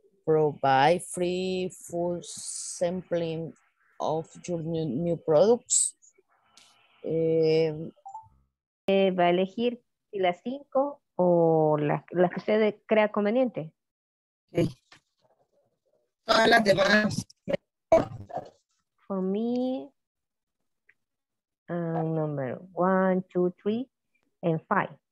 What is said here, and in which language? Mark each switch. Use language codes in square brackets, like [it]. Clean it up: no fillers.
[en] Provide free full sampling of your new products. [es] Va a elegir si las cinco o las que usted crea conveniente. [en] Okay. [es] Todas las demás. [en] For me, number one, two, three, and five.